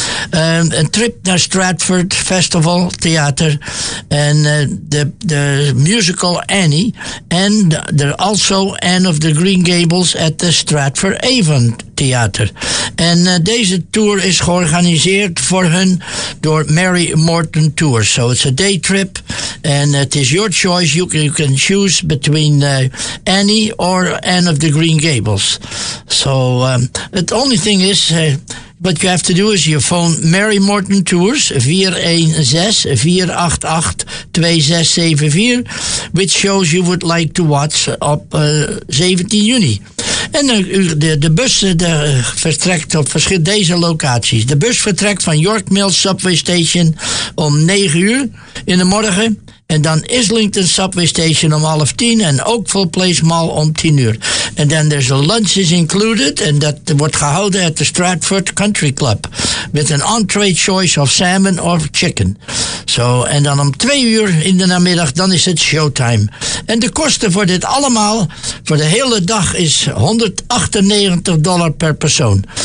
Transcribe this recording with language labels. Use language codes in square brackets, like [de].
[nl] Een trip naar Stratford Festival Theater en de musical Annie en there also Anne of the Green Gables at the Stratford Avon Theater. En deze tour is georganiseerd voor hen door Mary Morton Tours. [en] So it's a day trip and it is your choice. You can choose between Annie or Anne of the Green Gables. So the only thing is, what you have to do is you phone Mary Morton Tours 416-488-2674, which shows you would like to watch [nl] op 17 juni. En de bus de vertrekt op deze locaties. De bus vertrekt van York Mills Subway Station om 9 uur in de morgen. En dan Islington Subway Station om 9:30 en Oakville Place Mall om 10:00. [en] And then there's a lunch is included and that [nl] wordt gehouden [en] at the Stratford Country Club with an entree choice of salmon or chicken. [nl] So, en dan om 2:00 in de namiddag dan is het showtime. En de kosten voor dit allemaal voor de hele dag is $198 per persoon.